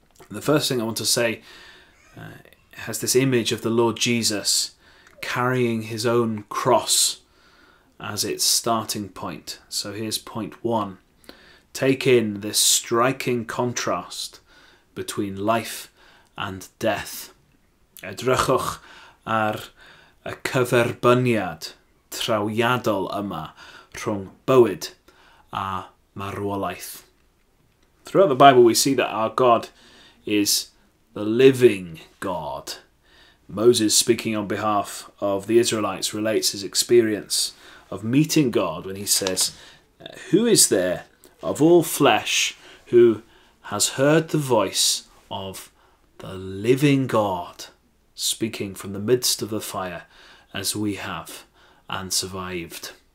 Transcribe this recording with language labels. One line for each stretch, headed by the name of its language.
English: The first thing I want to say has this image of the Lord Jesus carrying his own cross as its starting point. So here's point one. Take in this striking contrast between life and death.
Welsh: Edrychwch ar y cyferbyniad trawiadol yma rhwng bywyd a marwolaeth.
English: Throughout the Bible, we see that our God is the living God. Moses, speaking on behalf of the Israelites, relates his experience of meeting God when he says, "Who is there of all flesh who has heard the voice of the living God speaking from the midst of the fire, as we have, and survived?"